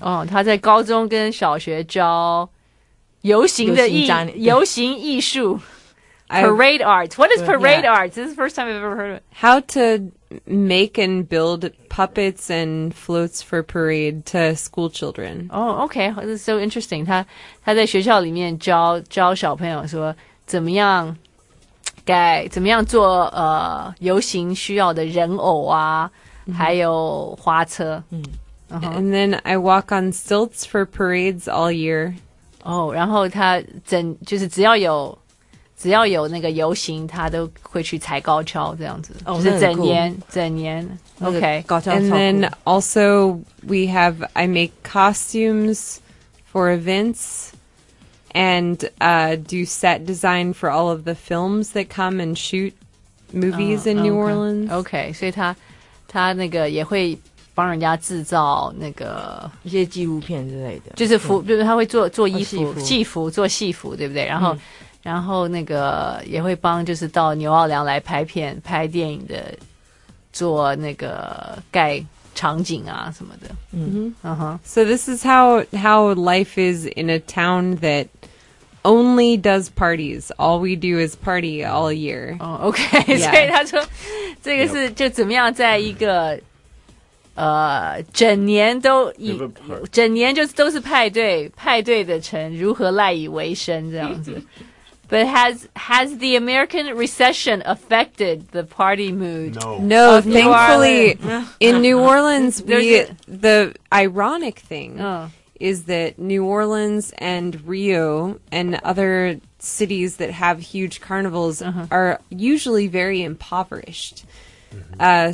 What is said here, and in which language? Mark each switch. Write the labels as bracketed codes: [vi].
[zh] 哦，她在高中跟小学教游行的游行艺术 Parade arts. [en] What is parade arts? This is the first time I've ever heard of it. How to make and build puppets and floats for parade to school children. Oh, okay. This is so interesting. [zh] 他在学校里面教小朋友说怎么样做游行需要的人偶啊、mm-hmm. 还有花车。Mm-hmm. Uh-huh. [en] And then I walk on stilts for parades all year. [zh] Oh, 然后他整就是只要有那个游行，他都会去踩高跷这样子， oh, 就是整年、 [en] cool. [zh] 整年。Okay, 高跷超酷。 [en] And then also we have I make costumes for events and do set design for all of the films that come and shoot movies in New Orleans. [zh] Okay, 所以他那个也会帮人家制造那个一些纪录片之类的，就是服，就是他会做衣服、戏服、做戏服，对不对？然后。嗯然后那个也会帮就是到牛奥良来拍片拍电影的做那个盖场景啊什么的。嗯哼。 [en] So this is how life is in a town that only does parties. All we do is party all year. Oh, okay. Yeah. [zh] 所以他说这个是就怎么样在一个、整年就是都是派对的城如何赖以为生这样子。 [en] But has the American recession affected the party mood? No, thankfully, in New Orleans, the ironic thing is that New Orleans and Rio and other cities that have huge carnivals are usually very impoverished. Mm-hmm.